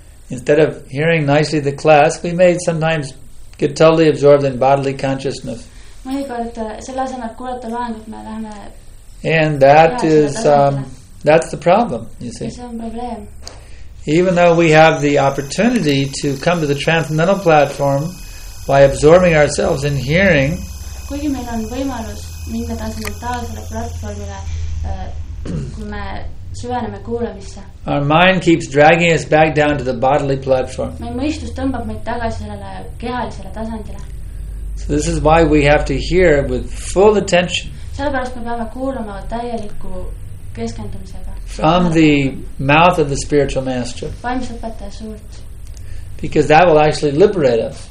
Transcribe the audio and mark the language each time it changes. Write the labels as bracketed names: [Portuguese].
[English] Instead of hearing nicely the class, we may sometimes get totally absorbed in bodily consciousness. And that's the problem, you see. Even though we have the opportunity to come to the transcendental platform by absorbing ourselves in hearing, [Estonian] kuigi meil on võimalus minna transcendentaalsele platformile, kui me süveneme kuulemisse. [English] Our mind keeps dragging us back down to the bodily platform. [Estonian] Meie mõistus tõmbab meid tagasi sellele kehalisele tasandile. [English] So this is why we have to hear with full attention. [Estonian] Sellepärast me peame kuulema täieliku keskendumisega. [English] From the mouth of the spiritual master. [Estonian] Vaimse õpetaja suult. [English] Because that will actually liberate us.